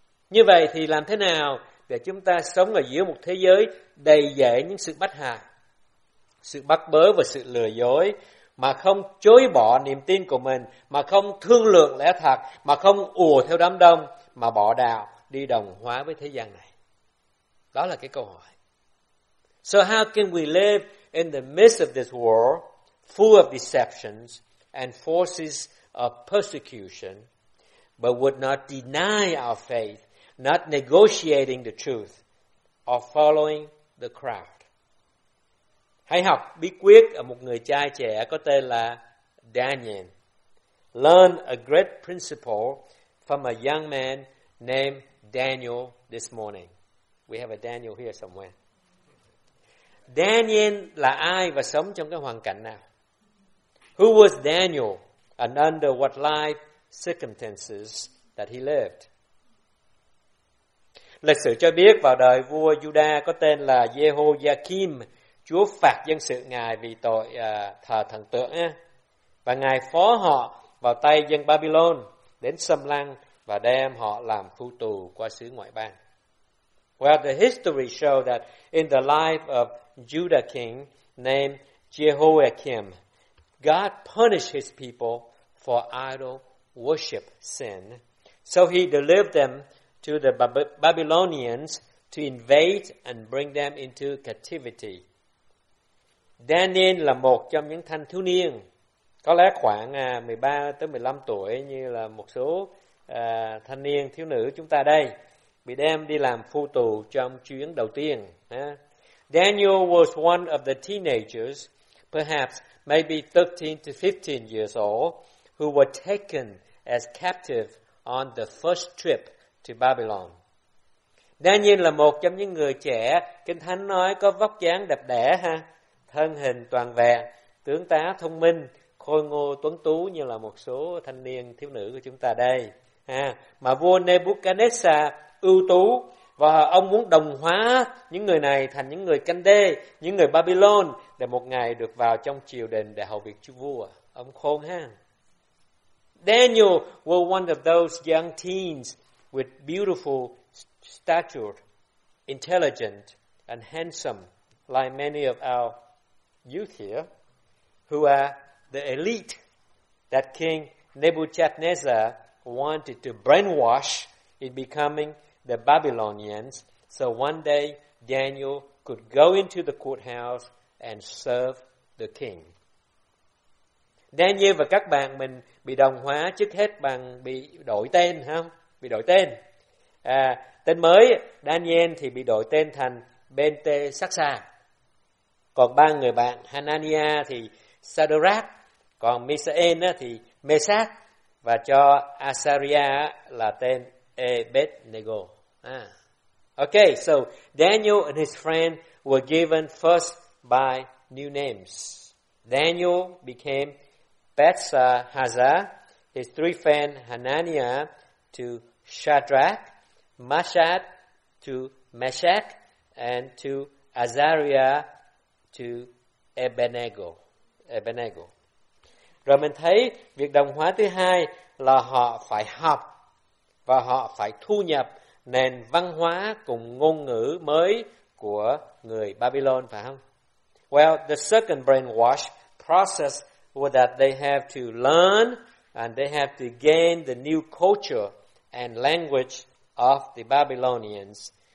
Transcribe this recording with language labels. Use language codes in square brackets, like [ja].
[vi] Như vậy thì làm thế nào để chúng ta sống ở giữa một thế giới đầy dẫy những sự bất hạnh, sự bắt bớ và sự lừa dối, mà không chối bỏ niềm tin của mình, mà không thương lượng lẽ thật, mà không ùa theo đám đông, mà bỏ đạo, đi đồng hóa với thế gian này? Đó là cái câu hỏi. [en] So how can we live in the midst of this world full of deceptions and forces of persecution, but would not deny our faith, not negotiating the truth, or following the crowd? [vi] Hãy học bí quyết ở một người trai trẻ có tên là Daniel. [en] Learn a great principle from a young man named Daniel this morning. We have a Daniel here somewhere. [vi] Daniel là ai và sống trong cái hoàn cảnh nào? [en] Who was Daniel and under what life circumstances that he lived? [vi] Lịch sử cho biết vào đời vua Juda có tên là Jehoiakim, Chúa phạt dân sự Ngài vì tội thờ thần tượng, và Ngài phó họ vào tay dân Babylon đến xâm lăng và đem họ làm phu tù qua xứ ngoại bang. [en] Well, the history shows that in the life of Judah king named Jehoiakim, God punished his people for idol worship sin. So he delivered them to the Babylonians to invade and bring them into captivity. [vi] Daniel là một trong những thanh thiếu niên, có lẽ khoảng 13 tới 15 tuổi như là một số thanh niên thiếu nữ chúng ta đây, bị đem đi làm phu tù trong chuyến đầu tiên. [en] Daniel was one of the teenagers, perhaps maybe 13 to 15 years old, who were taken as captive on the first trip to Babylon. [vi] Daniel là một trong những người trẻ, Kinh Thánh nói có vóc dáng đẹp đẽ ha, thân hình toàn vẹn, tướng tá thông minh, khôi ngô tuấn tú như là một số thanh niên thiếu nữ của chúng ta đây. Mà vua Nebuchadnezzar ưu tú và ông muốn đồng hóa những người này thành những người canh đê, những người Babylon để một ngày được vào trong triều đình để hầu việc chúa vua. Ông khôn ha. [en] Daniel was one of those young teens with beautiful stature, intelligent and handsome like many of our youth here, who are the elite that King Nebuchadnezzar wanted to brainwash in becoming the Babylonians, so one day Daniel could go into the courthouse and serve the king. [vi] Daniel và các bạn mình bị đồng hóa trước hết bằng bị đổi tên, không? Bị đổi tên. Tên mới Daniel thì bị đổi tên thành Belteshazzar. Còn ba người bạn Hanania thì Sadrach, còn Misael thì Mesach, và cho Azariah là tên Abednego. [en] Okay, so Daniel and his friend were given first by new names. Daniel became Belteshazzar, his three friends Hanania to Shadrach, Meshach to Meshach, and to Azariah to Abednego. [vi] Rồi mình thấy việc đồng hóa thứ hai là họ phải học và họ phải thu nhập nền văn hóa cùng ngôn ngữ mới của người Babylon, phải không? [en] Well, the second brainwash process was that they have to learn and they have to gain the new culture and language of the Babylonians.